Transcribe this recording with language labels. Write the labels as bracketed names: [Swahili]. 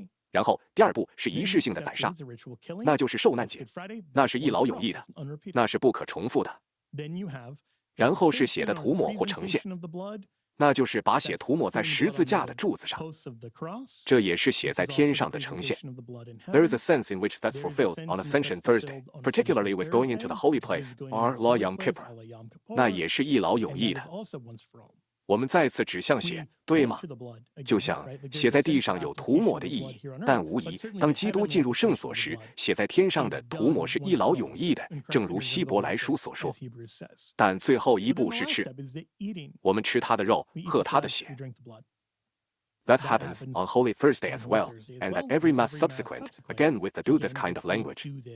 [Chinese] 然后第二步是仪式性的宰杀，那就是受难节，那是一劳永逸的，那是不可重复的。然后是血的涂抹或呈现，那就是把血涂抹在十字架的柱子上，这也是血在天上的呈现。 [English] There is a sense in which that's fulfilled on Ascension Thursday, particularly with going into the holy place, our Lord Yom Kippur. [Chinese] 那也是一劳永逸的。我们再次指向血，对吗？就像血在地上有涂抹的意义，但无疑，当基督进入圣所时，血在天上的涂抹是一劳永逸的，正如希伯来书所说。但最后一步是吃，我们吃他的肉，喝他的血。 [English] That happens on Holy Thursday as well, and at every mass subsequent, again with the do this kind of language.